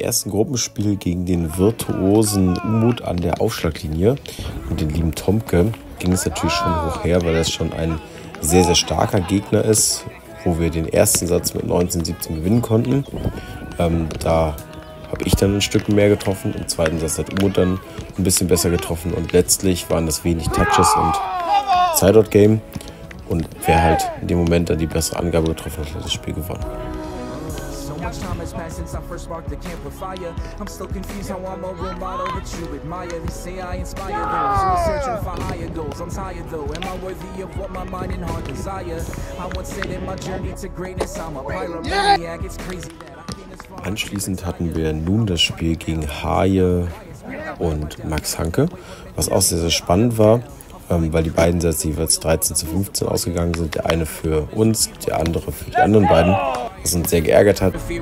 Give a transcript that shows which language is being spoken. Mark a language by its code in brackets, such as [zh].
[de] Gruppenspiel gegen den virtuosen Umut an der Aufschlaglinie und den lieben Tomke ging es natürlich schon hoch her, weil das schon ein sehr, sehr starker Gegner ist, wo wir den ersten Satz mit 19-17 gewinnen konnten. Da habe ich dann ein Stück mehr getroffen, im zweiten Satz hat Umut dann ein bisschen besser getroffen und letztlich waren das wenig Touches und Side-Out-Game und wer halt in dem Moment dann die bessere Angabe getroffen hat, hat das Spiel gewonnen. [en] Time has passed since I first sparked the camp with fire. I'm still confused how I'm a role model that you admire. They say I inspire those who are searching for higher goals. I'm tired though, am I worthy of what my mind and heart desire? I would say that my journey to greatness, I'm a pyromaniac. It's crazy that I came this far. [de] Anschließend hatten wir nun das Spiel gegen Haie und Max Hanke, was auch sehr, sehr spannend war, weil die beiden Sätze jeweils 13-15 ausgegangen sind. Der eine für uns, der andere für die anderen beiden. Was uns sehr geärgert hat.